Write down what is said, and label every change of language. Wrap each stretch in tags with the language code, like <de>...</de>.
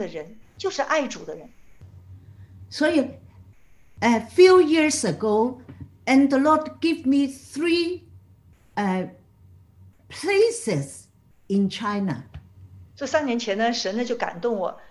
<zh>这我为什么要分享呢？因为呢，他怎么在我身上做呢？他也同样呢，在你们每一个身上也可以做，因为我们是一样的人，就是爱主的人。所以</zh> <en>a few years ago, and the Lord gave me three places in China.</en> <zh>这3年前呢，神呢就感动我。</zh>